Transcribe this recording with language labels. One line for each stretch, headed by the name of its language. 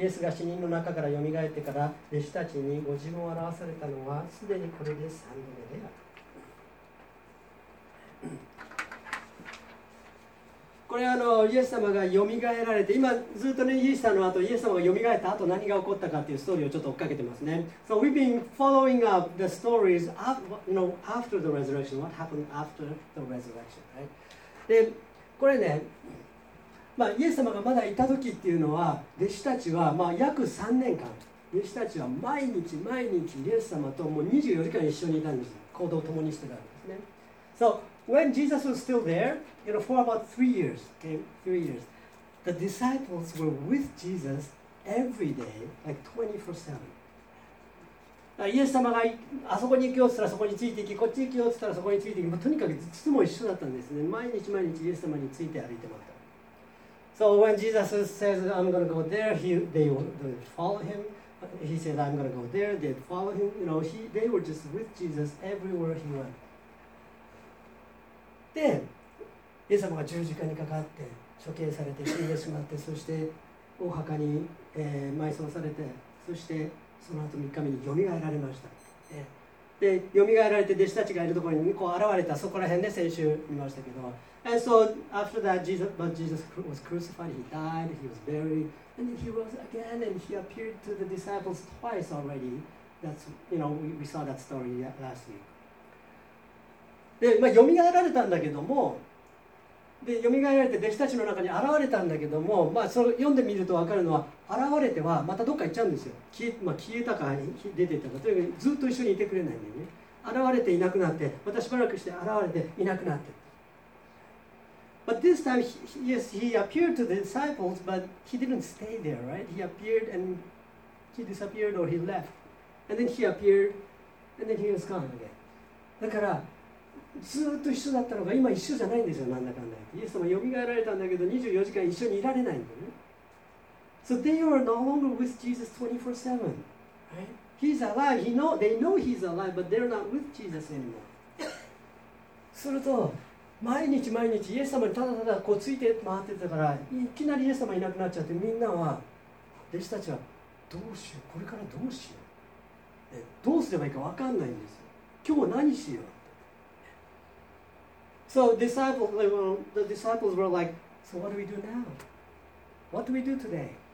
Japanese: イエスが死人の中からよみがえってから弟子たちにご自分を表されたのはすでにこれで3度目である。これイエス様がよみがえられて、今ずっとね、イースターの後、イエス様がよみがえった後何が起こったかっていうストーリーをちょっと追っかけてますね。
English: So we've been following up the stories of, you know, after the resurrection. What happened after the resurrection, right?
Japanese: で、これね、まあ、イエス様がまだいた時っていうのは、弟子たちは、まあ、約3年間、弟子たちは毎日毎日イエス様ともう24時間一緒にいたんです。行動を共にしてたんですね。
English: So when Jesus was still there, you know, for about three years, the disciples were with Jesus every day, like 24/7.
Japanese: イエス様があそこに行くよっつったらそこについていき、こっち行くよっつったらそこについていき、まあ、とにかくいつも一緒だったんですね。毎日毎日イエス様について歩いてもらった。
English: So when Jesus says, I'm going to go there, they would follow him. He said, I'm going to go there, they'd follow him. You know, they were just with Jesus everywhere he went.
Japanese: で、イエス様が十字架にかかって、処刑されて死んでしまって、そしてお墓に、埋葬されて、そしてその後3日目によみがえられました。で、よみがえられて弟子たちがいるところにこう現れた、そこら辺で、ね、先週見ましたけど、
English: And so after that, Jesus was crucified. He died. He was buried. And then he rose again. And he appeared to the disciples twice already. That's, you know, we saw that story last week.
Japanese: で、まあ、よみがえられたんだけども、で、よみがえられて弟子たちの中に現れたんだけども、まあ、それ読んでみると分かるのは、現れてはまたどっか行っちゃうんですよ。消えたか出ていったか。とにかくずっと一緒にいてくれないんだよね。現れていなくなって、またしばらくして現れていなくなって。
English: But this time, he appeared to the disciples, but he didn't stay there, right? He appeared and he disappeared or he left. And then he appeared and then he was gone again.
Japanese: だから、ずっと一緒だったのが今一緒じゃないんですよ、なんだかんだ。イエス様、よみがえられたんだけど、24時間一緒にいられないんだよね。
English: So they are no longer with Jesus 24-7, right? He's alive. They know he's alive, but they're not with Jesus anymore.
Japanese: すると、毎日毎日イエス様にただただこうついて回ってたから、いきなりイエス様いなくなっちゃって、みんなは、弟子たちはどうしよう、これからどうしよう、どうすればいいか分かんないんですよ、今日何しよう。
English: So the disciples were like, so what do we do now? What do we do today?